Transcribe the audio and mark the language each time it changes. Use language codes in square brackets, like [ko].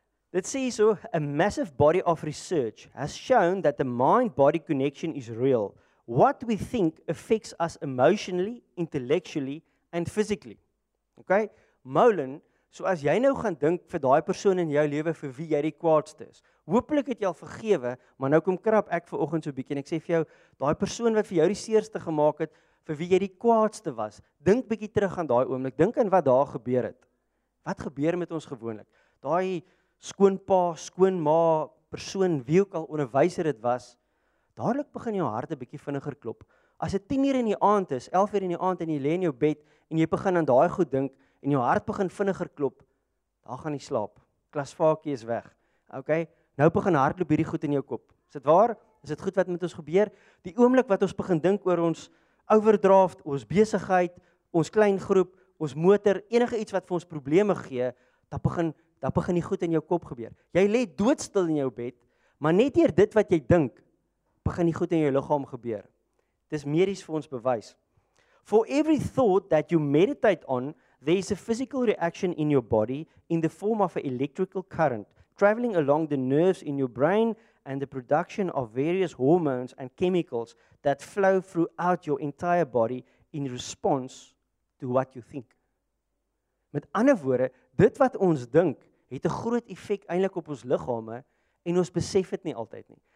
[af] Dit sê so, [en] a massive body of research has shown that the mind-body connection is real. What we think affects us emotionally, intellectually and physically. [af] Okay, Molen, so as jy nou gaan dink vir daai persoon in jou lewe vir wie jy die kwaadste is, hoopelik het jy al vergewe, maar nou kom krap ek vir oggend so 'n bietjie en ek sê vir jou, daai persoon wat vir jou die seerste gemaak het, vir wie jy die kwaadste was, dink bietjie terug aan daai oomblik, dink aan wat daar gebeur het. Wat gebeur met ons gewoonlik? Daai skoonpa, skoonma, persoon, wie ook al onderwyser dit was, dadelik begin jou hart 'n bietjie vinniger klop. As dit 10:00 in die aand is, 11:00 in die aand en jy lê in jou bed en jy begin aan daai goed dink en jou hart begin vinniger klop, daar gaan jy slaap. Klasvaakie is weg. Okay? Nou begin hardloop hierdie goed in jou kop. Is dit waar? Is dit goed wat met ons gebeur? Die oomblik wat ons begin dink oor ons overdraft, ons besigheid, ons klein groep, ons motor, enige iets wat vir ons probleme gee, dan begin die goed in jou kop gebeur. Jy lê doodstil in jou bed, maar net deur dit wat jy dink, begin die goed in jou liggaam gebeur. Dis medies vir ons bewys. [en] For every thought that you meditate on, there is a physical reaction in your body in the form of an electrical current traveling along the nerves in your brain and the production of various hormones and chemicals that flow throughout your entire body in response to what you think. [af] Met ander woorde, dit wat ons dink, het 'n groot effek eintlik op ons liggame en ons besef dit nie altyd nie.